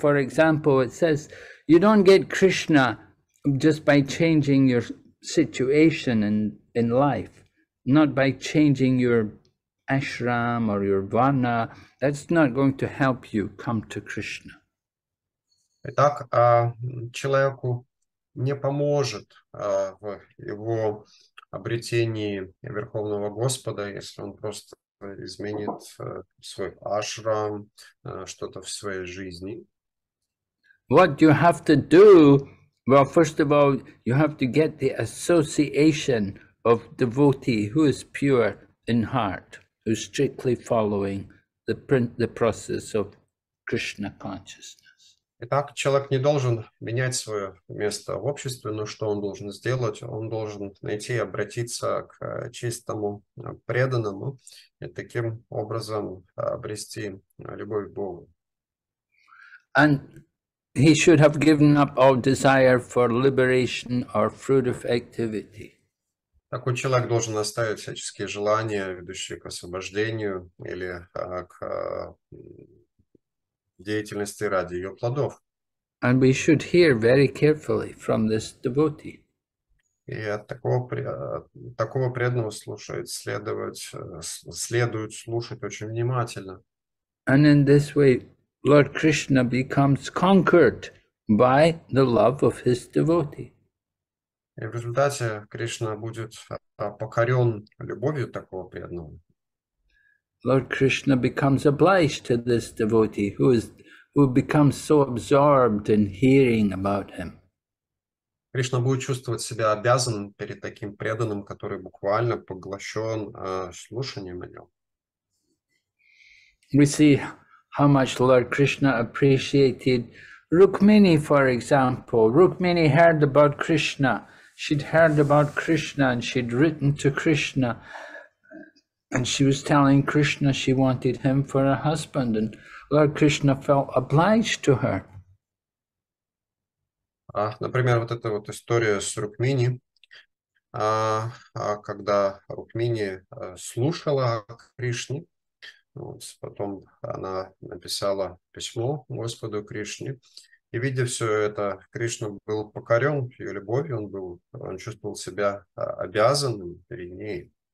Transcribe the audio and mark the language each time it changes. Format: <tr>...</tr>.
<en>For example, it says, you don't get Krishna just by changing your situation in life, not by changing your ashram or your varna. That's not going to help you come to Krishna.</en> <ru>Итак, человеку не поможет в его обретении Верховного Господа, если он просто изменит свой ашрам, что-то в своей жизни.</ru> <en>What you have to do, well, first of all, you have to get the association of devotee who is pure in heart, who's strictly following the process of Krishna consciousness.</en> <ru>Итак, человек не должен менять свое место в обществе, но что он должен сделать? Он должен найти и обратиться к чистому преданному и таким образом обрести любовь к Богу.</ru> <en>And he should have given up all desire for liberation or fruitive activity.</en> <ru>Такой человек должен оставить всяческие желания, ведущие к освобождению или к деятельности ради ее плодов.</ru> <en>And we should hear very carefully from this devotee.</en> <ru>И от такого преданного следует слушать очень внимательно.</ru> <en>And in this way, Lord Krishna becomes conquered by the love of his devotee.</en> <ru>И в результате Кришна будет покорен любовью такого преданного.</ru> <en>Lord Krishna becomes obliged to this devotee who becomes so absorbed in hearing about him.</en> <ru>Кришна будет чувствовать себя обязанным перед таким преданным, который буквально поглощен слушанием о нем.</ru> <en>We see how much Lord Krishna appreciated Rukmini, for example. Rukmini heard about Krishna. She'd heard about Krishna and she'd written to Krishna. And she was telling Krishna she wanted him for a husband, and Lord Krishna felt obliged to her.</en> <ru>Например, вот эта вот история с Рукмини. Когда Рукмини слушала о Кришне, вот, потом она написала письмо Господу Кришне, и видя все это, Кришна был покорен ее любовью, он чувствовал себя обязанным перед ней.</ru>